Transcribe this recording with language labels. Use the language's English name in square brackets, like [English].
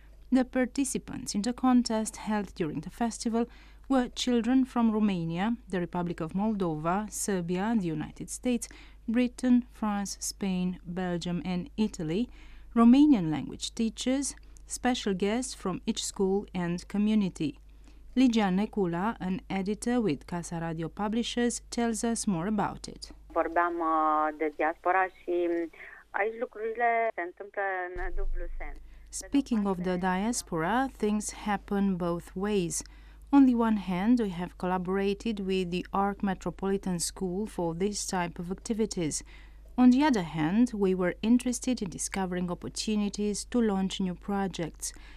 [English] The participants in the contest held during the festival were children from Romania, the Republic of Moldova, Serbia, the United States, Britain, France, Spain, Belgium, and Italy, Romanian language teachers, special guests from each school and community. Ligia Necula, an editor with Casa Radio Publishers, tells us more about it. [Romanian] Vorbeam de diaspora și aici lucrurile se întâmplă în dublu sens. [English] Speaking of the diaspora, things happen both ways. On the one hand, we have collaborated with the Arc Metropolitan School for this type of activities. On the other hand, we were interested in discovering opportunities to launch new projects.